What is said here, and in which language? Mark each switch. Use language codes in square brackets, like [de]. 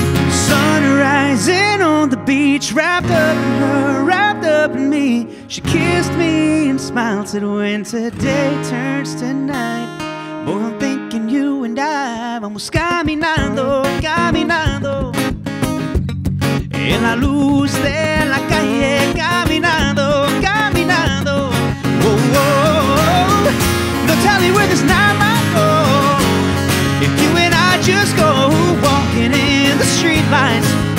[en] Sun rising on the beach, wrapped up in her. Me. She kissed me and smiled, said, when today turns to night, boy, I'm thinking you and I. [es] Vamos caminando, caminando. En la luz de la calle, caminando, caminando. Whoa, whoa, whoa. [en] No telling where this night might go if you and I just go walking in the streetlights.